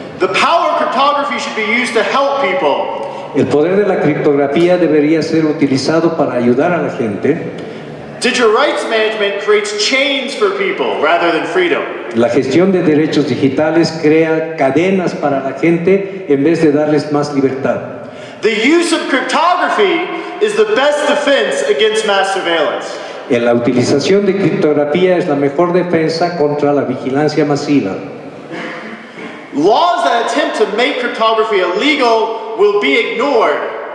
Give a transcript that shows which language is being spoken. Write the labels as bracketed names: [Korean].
[English] The power of cryptography should be used to help people. [Spanish] El poder de la criptografía debería ser utilizado para ayudar a la gente. [English] Digital rights management creates chains for people rather than freedom. [Spanish] La gestión de derechos digitales crea cadenas para la gente en vez de darles más libertad. [English] The use of cryptography is the best defense against mass surveillance. [Spanish] En la utilización de criptografía es la mejor defensa contra la vigilancia masiva. [English] Laws that attempt to make cryptography illegal will be ignored.